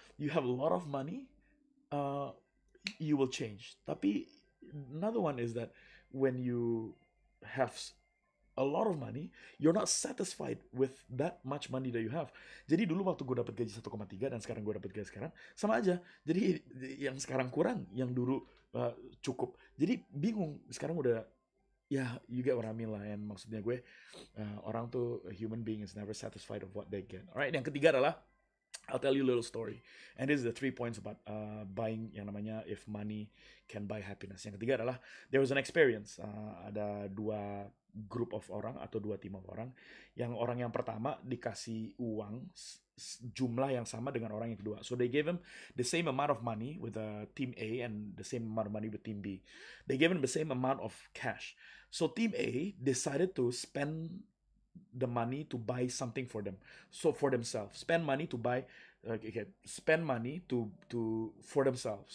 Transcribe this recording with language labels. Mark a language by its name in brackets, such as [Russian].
[English] You have a lot of money, you will change. Tapi another one is that when you have a lot of money, you're not satisfied with that much money that you have. [Indonesian] Jadi dulu waktu gue dapat gaji 1,3 dan sekarang gue dapat gaji sekarang, sama aja. Jadi yang sekarang kurang, yang dulu cukup. Jadi bingung, sekarang udah, [English] yeah, you get what I mean lah. And [Indonesian] maksudnya gue, orang tuh, [English] a human being is never satisfied of what they get. Alright, [Indonesian] yang ketiga adalah, [English] I'll tell you a little story. And this is the three points about buying [Indonesian] yang namanya [English] if money can buy happiness. [Indonesian] Yang ketiga adalah, [English] there was an experience. [Indonesian] Ada dua group of orang atau dua tim of orang. Yang orang yang pertama dikasih uang jumlah yang sama dengan orang yang kedua. [English] So they gave him the same amount of money with team A and the same amount of money with team B. They gave him the same amount of cash. So team A decided to spend the money to buy something for them. So for themselves. Spend money to buy, okay, spend money to for themselves.